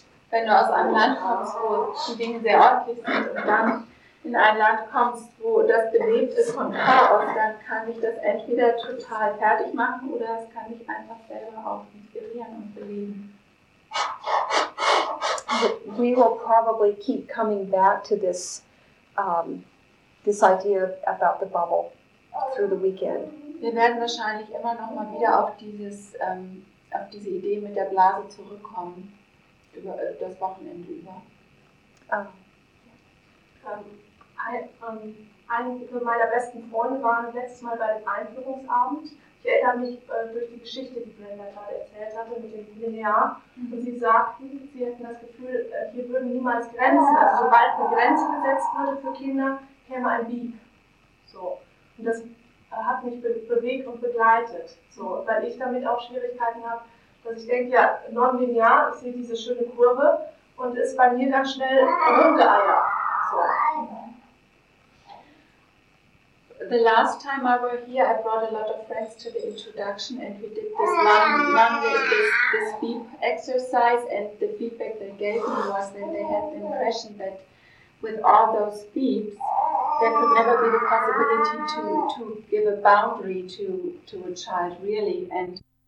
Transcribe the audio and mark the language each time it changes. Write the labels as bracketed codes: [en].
[de] Wenn du aus einem Land kommst, wo die Dinge sehr ordentlich sind, und dann in ein Land kommst, wo das belebt ist von Chaos, dann kann dich das entweder total fertig machen oder es kann dich einfach selber auch inspirieren und beleben. [en] We will probably keep coming back to this this idea about the bubble through the weekend. [de] Wir werden wahrscheinlich immer noch mal wieder auf dieses auf diese Idee mit der Blase zurückkommen über das Wochenende über. Einige meiner besten Freunde waren letztes Mal bei dem Einführungsabend. Ich erinnere mich durch die Geschichte, die Brenda gerade erzählt hatte, mit dem Linear. Und sie sagten, sie hätten das Gefühl, hier würden niemals Grenzen, also sobald eine Grenze gesetzt würde für Kinder, käme ein Beep. So. Und das hat mich bewegt und begleitet. So. Weil ich damit auch Schwierigkeiten habe, dass ich denke, ja, non-linear ist hier diese schöne Kurve und ist bei mir dann schnell rumgeeiert. So. [en] The last time I were here, I brought a lot of friends to the introduction, and we did this this beep exercise, and the feedback they gave me was that they had the impression that with all those beeps, there could never be the possibility to give a boundary to a child, really. And